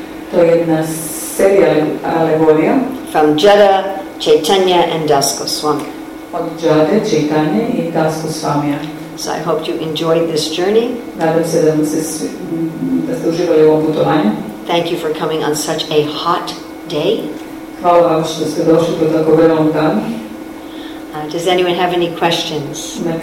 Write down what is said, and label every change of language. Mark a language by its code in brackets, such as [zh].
[hr] To je jedna serija alegorija. [en] From Jada, Chaitanya and Das Goswami. [hr] Od Jade, Chaitanya i Das Goswamija. [en] So I hope you enjoyed this journey. [hr] Nadam se da ste uživali u ovom putovanju. [en] Thank you for coming on such a hot day. [hr] Hvala vam što ste došli po tako velom danu. [en] Does anyone have any questions?